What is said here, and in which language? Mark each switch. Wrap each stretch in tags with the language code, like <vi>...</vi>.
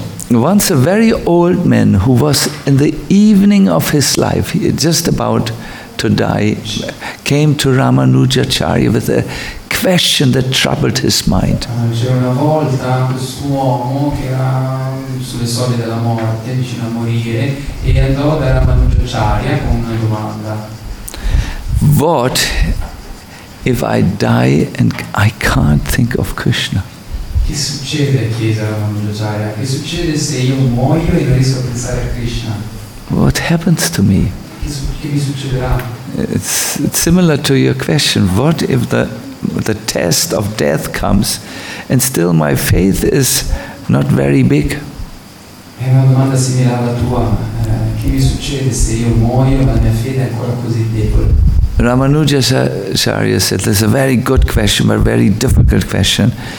<en>Once a very old man who was in the evening of his life, just about to die, came to Ramanujacharya with a question that troubled his mind.</en> <it>Sulle soglie della morte, vicino a morire, e andò da Ramanujacharya con una domanda:</it> <en>what if I die and I can't think of Krishna?</en> <it>Che succede, chiese Ramanujacharya? Che succede se io muoio e non riesco a pensare a Krishna?</it> <en>What happens to me?</en> <it>Che mi succederà?</it> <en>It's similar to your question: what if the test of death comes and still my faith is not very big?</en> <it>È una domanda simile alla tua. Che mi succede se io muoio ma la mia fede è ancora così debole?</it> <en>Ramanujacharya said, "This is a very good question, but a very difficult question.</en>